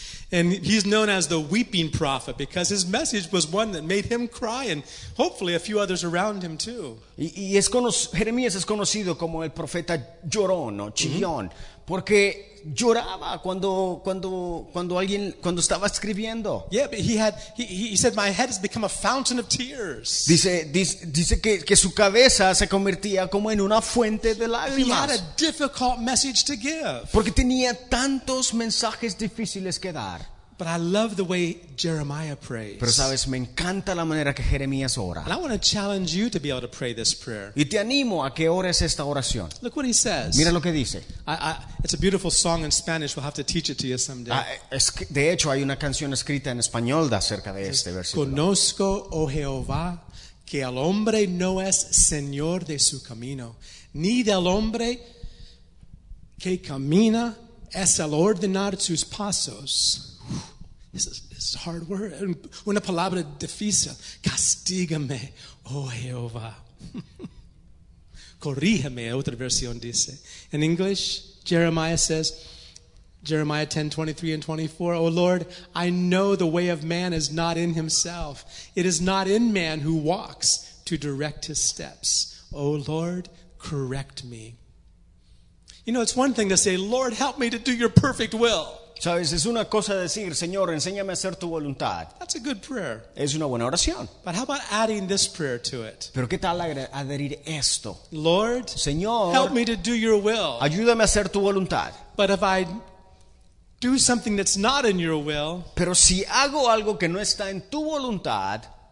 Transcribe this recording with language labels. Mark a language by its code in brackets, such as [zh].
[en] And he's known as the weeping prophet because his message was one that made him cry and hopefully a few others around him too. [es] Jeremías es conocido como el profeta llorón o chillón. Mm-hmm. Porque lloraba cuando estaba escribiendo. [en] Yeah, but he said my head has become a fountain of tears. [es] Dice que su cabeza se convertía como en una fuente de lágrimas. [en] He had a difficult message to give. [es] Porque tenía tantos mensajes difíciles que dar. [en] But I love the way Jeremiah prays. [es] Pero sabes, me encanta la manera que Jeremías ora. [en] And I want to challenge you to be able to pray this prayer. [es] Y te animo a que ores esta oración. [en] Look what he says. [es] Mira lo que dice. [en] I, it's a beautiful song in Spanish. We'll have to teach it to you someday. [es] De hecho, hay una canción escrita en español acerca de este versículo. Conozco, oh Jehová, que el hombre no es señor de su camino, ni del hombre que camina es el ordenar sus pasos. [en] This is a hard word. [es] Una palabra difícil. Castígame, oh Jehová. Corrígeme, otra versión dice. [en] In English, Jeremiah says, Jeremiah 10:23-24, O Lord, I know the way of man is not in himself. It is not in man who walks to direct his steps. O Lord, correct me. You know, it's one thing to say, Lord, help me to do your perfect will. [es] Sabes, es una cosa decir, Señor, enséñame a hacer tu voluntad. [en] That's a good prayer. [es] Es una buena oración. [en] But how about adding this prayer to it? [es] Pero ¿qué tal adherir esto? [en] Lord, [es] Señor, [en] help me to do your will. [es] Ayúdame a hacer tu voluntad. [en] But if I do something that's not in your will, [es] pero si hago algo que no está en tu voluntad,